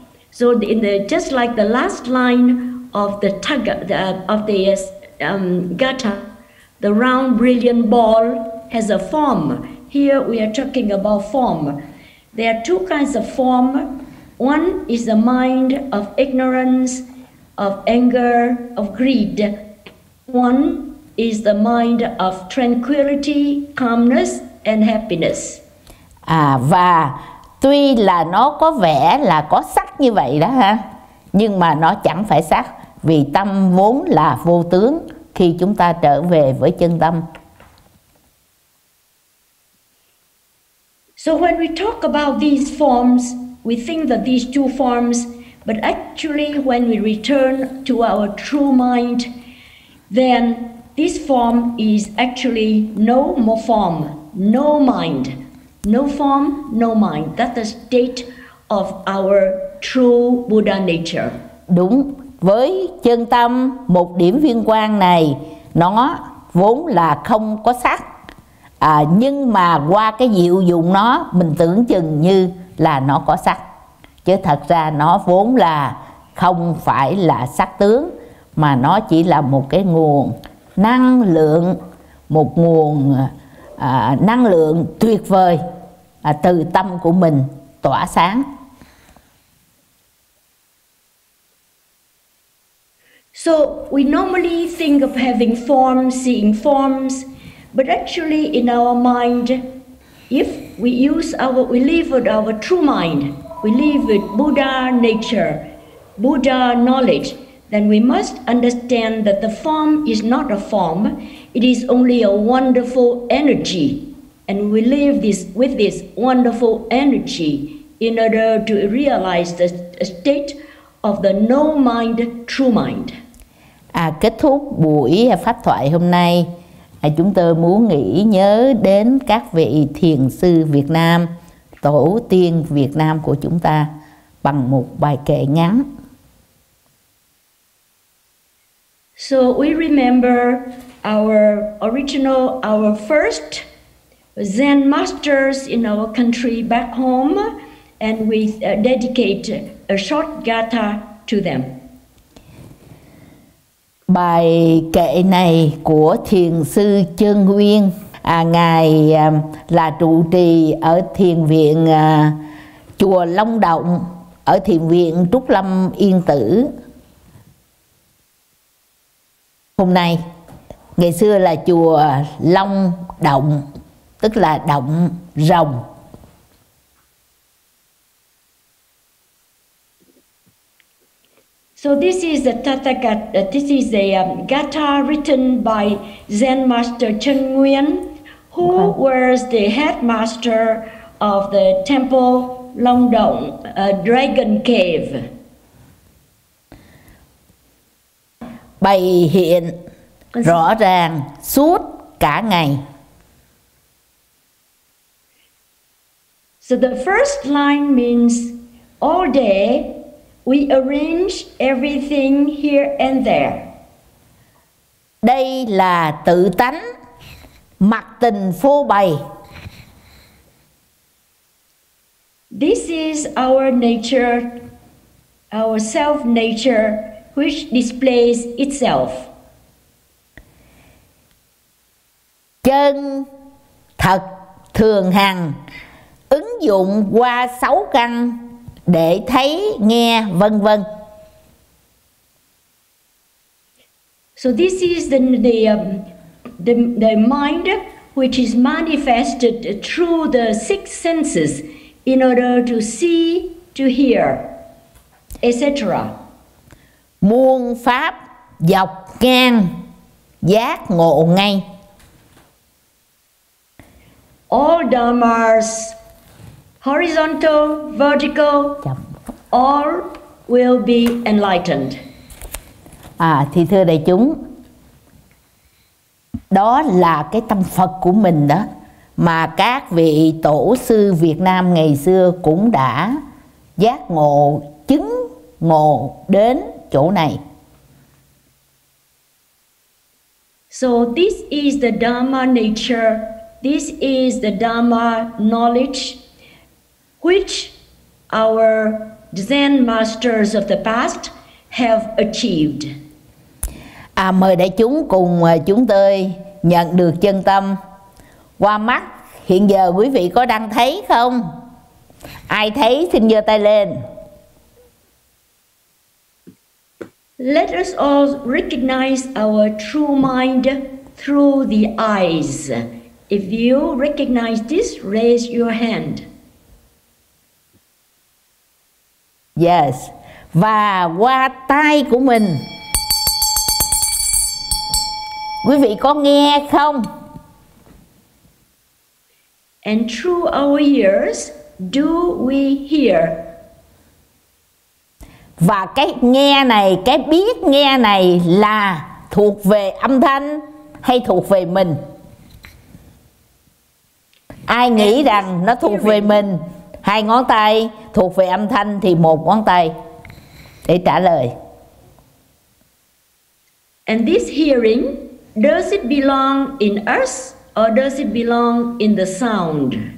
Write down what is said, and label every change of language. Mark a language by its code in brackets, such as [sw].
[en] So in the just like the last line of the taga, of the gata, the round brilliant ball has a form. Here we are talking about form. There are two kinds of form. One is the mind of ignorance, of anger, of greed. One is the mind of tranquility, calmness and happiness. [vi] À, và tuy là nó có vẻ là có sắc như vậy đó ha, nhưng mà nó chẳng phải sắc, vì tâm vốn là vô tướng khi chúng ta trở về với chân tâm. [en] So when we talk about these forms, we think that these two forms, but actually when we return to our true mind, then this form is actually no more form, no mind. No form, no mind. That's the state of our true Buddha nature. [vi] Đúng, với chân tâm, một điểm viên quang này, nó vốn là không có sắc. À, nhưng mà qua cái diệu dụng nó, mình tưởng chừng như là nó có sắc. Chứ thật ra nó vốn là không phải là sắc tướng, mà nó chỉ là một cái nguồn năng lượng, một nguồn năng lượng tuyệt vời từ tâm của mình tỏa sáng. [en] So we normally think of having forms, seeing forms, but actually in our mind, if we use our, we live with our true mind, we live with Buddha nature, Buddha knowledge, then we must understand that the form is not a form, it is only a wonderful energy. And we live this with this wonderful energy in order to realize the state of the no mind, true mind. [vi] À, kết thúc buổi pháp thoại hôm nay, chúng tôi muốn nghĩ nhớ đến các vị thiền sư Việt Nam, tổ tiên Việt Nam của chúng ta bằng một bài kệ ngắn. [en] So we remember our original, our first Zen masters in our country back home, and we dedicate a short gatha to them. [vi] Bài kệ này của Thiền sư Chơn Nguyên, ngài là trụ trì ở thiền viện chùa Long Động, ở thiền viện Trúc Lâm Yên Tử. Hôm nay, ngày xưa là chùa Long Động, tức là động rồng. [en] So this is a Tathagata, this is a gatha written by Zen Master Chơn Nguyên, who was the headmaster of the temple Long Động, Dragon Cave. [vi] Bày hiện rõ ràng suốt cả ngày. [en] So the first line means all day we arrange everything here and there. [vi] Đây là tự tánh mặc tình phô bày. [en] This is our nature, our self nature, which displays itself. [vi] Chân thật thường hằng ứng dụng qua sáu căn để thấy, nghe, vân vân. [en] So this is the mind which is manifested through the six senses in order to see, to hear, etc. [vi] Muôn pháp dọc ngang giác ngộ ngay. [en] All dharmas horizontal, vertical, all will be enlightened. [vi] À, thì thưa đại chúng, đó là cái tâm Phật của mình đó, mà các vị tổ sư Việt Nam ngày xưa cũng đã giác ngộ, chứng ngộ đến chỗ này. [en] So this is the Dharma nature, this is the Dharma knowledge, which our Zen masters of the past have achieved. [vi] À, mời đại chúng cùng chúng tôi nhận được chân tâm qua mắt. Hiện giờ quý vị có đang thấy không? Ai thấy xin giơ tay lên. [en] Let us all recognize our true mind through the eyes. If you recognize this, raise your hand. [vi] Yes. Và qua tai của mình. Quý vị có nghe không? [en] And through our ears, do we hear? [vi] Và cái nghe này, cái biết nghe này là thuộc về âm thanh hay thuộc về mình? Ai nghĩ rằng nó thuộc về mình? Hai ngón tay thuộc về âm thanh thì một ngón tay để trả lời. [en] And this hearing, does it belong in us or does it belong in the sound?